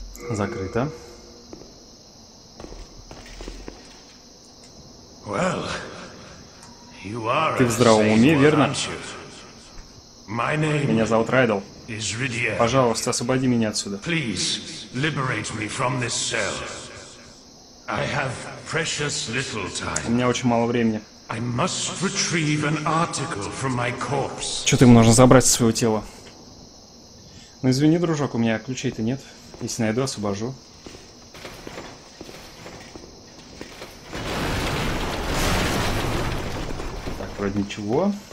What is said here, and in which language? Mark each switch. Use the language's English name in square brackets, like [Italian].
[Russian] Закрыто. [English] Well, you are. [Russian] Ты в здравом уме, верно? Меня зовут Райдл. Пожалуйста, освободи меня отсюда. [English] Please liberate me from this cell. I have precious little time. [Russian] У меня очень мало времени. [English] I must retrieve an article from my corpse. [Russian] Что-то ему нужно забрать со своего тела. Ну извини, дружок, у меня ключей-то нет. Если найду, освобожу. Так, вроде ничего.